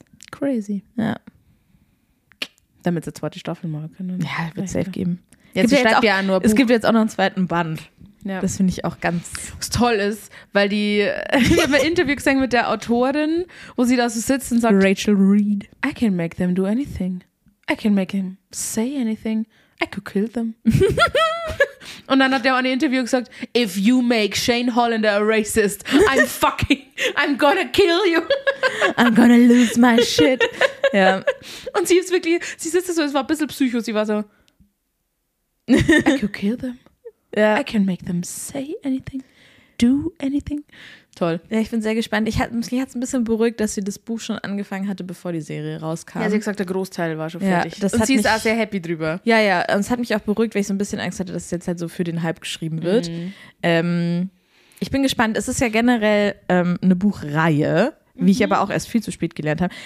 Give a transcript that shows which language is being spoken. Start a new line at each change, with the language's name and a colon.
English: Crazy.
German: Ja. Damit sie zweite Staffel machen können. Ja, wird es safe geben. Jetzt gibt auch, ja nur Buch. Es gibt jetzt auch noch einen zweiten Band. Ja. Das finde ich auch ganz... Was toll ist, weil die... Ich habe ein Interview gesehen mit der Autorin, wo sie da so sitzt und sagt... Rachel Reed.
English: I can make them do anything. I can make them say anything. I could kill them.
German: Und dann hat der auch in einem Interview gesagt,
English: if you make Shane Hollander a racist, I'm gonna kill you. I'm gonna lose my shit.
German: Ja. Und sie ist wirklich... Sie sitzt so, es war ein bisschen psycho. Sie war so...
English: I could kill them. Yeah. I can make them say anything, do anything.
German: Toll. Ja, ich bin sehr gespannt. Ich hatte es ein bisschen beruhigt, dass sie das Buch schon angefangen hatte, bevor die Serie rauskam. Ja, sie hat gesagt, der Großteil war schon fertig. Das und hat sie mich, ist auch sehr happy drüber. Ja, ja. Und es hat mich auch beruhigt, weil ich so ein bisschen Angst hatte, dass es jetzt halt so für den Hype geschrieben wird. Mhm. Ich bin gespannt. Es ist ja generell eine Buchreihe, wie ich aber auch erst viel zu spät gelernt habe.